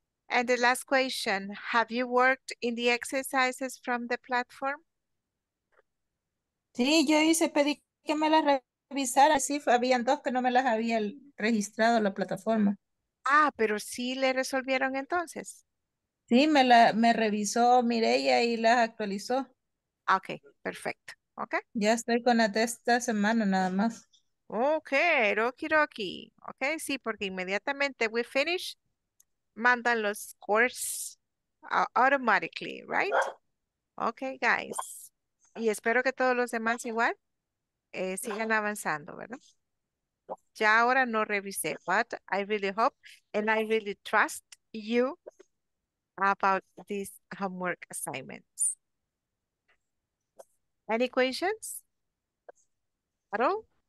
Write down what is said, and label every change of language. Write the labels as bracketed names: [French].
[English] And the last question, have you worked in the exercises from the platform? [Spanish] Sí, yo hice, pedí que me las revisara. Sí, habían dos que no me las había registrado la plataforma. Ah, pero sí le resolvieron entonces. Sí, me revisó Mireia y las actualizó. Ok, perfecto. Okay. Ya estoy con la de esta semana nada más. Ok, rokiroki. Ok, sí, porque inmediatamente [English] we finish. [Spanish] Mandan los scores [English] automatically, right? Okay, guys. [Spanish] Y espero que todos los demás igual sigan avanzando, ¿verdad? Ya ahora no revisé, [English] but I really hope and I really trust you about these homework assignments. Any questions at all?